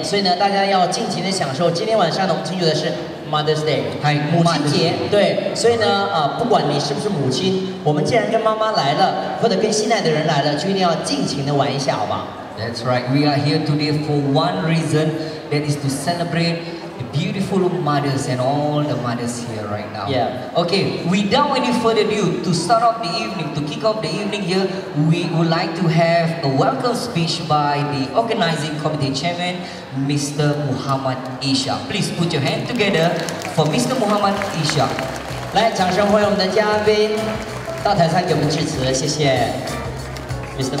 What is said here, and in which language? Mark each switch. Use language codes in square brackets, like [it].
[zh] 那今天呢，我们的这个节目非常的精彩。我们有这个表演项目，有游戏项目，有礼物要送出，同时呢，还有这个自助晚宴。所以呢，大家要尽情的享受。今天晚上呢，我们庆祝的是 Mother's Day，母亲节。对，所以呢，不管你是不是母亲，我们既然跟妈妈来了，或者跟心爱的人来了，就一定要尽情的玩一下，好吧？ [en] That's right. We are here today for one reason, that is to celebrate the beautiful mothers and all the mothers here right now. Yeah. Okay, without any further ado, to start off the evening, to kick off the evening here, we would like to have a welcome speech by the organizing committee chairman, Mr. Muhammad Ishak. Please put your hand together for Mr. Muhammad Ishak. [zh] 来，掌声欢迎我们的嘉宾到台上给我们致辞，谢谢 Mr.